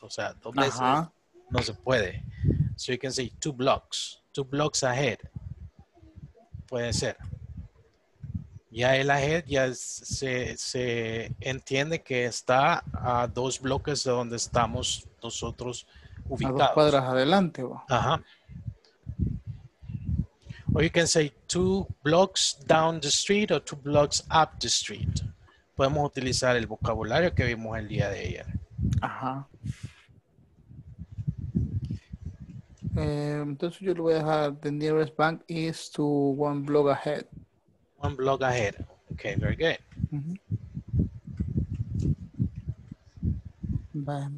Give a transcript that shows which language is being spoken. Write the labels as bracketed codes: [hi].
[es] O sea, 2 veces no se puede. [en] So you can say 2 blocks. 2 blocks ahead. [es] Puede ser. Ya el ahead ya se entiende que está a 2 bloques de donde estamos nosotros ubicados. A 2 cuadras adelante. Ajá. [en] Or you can say 2 blocks down the street or 2 blocks up the street. [es] Podemos utilizar el vocabulario que vimos el día de ayer. Ajá. Entonces yo le voy a dejar [en] the nearest bank is to 1 block ahead. 1 block ahead. Okay, very good. Mm-hmm.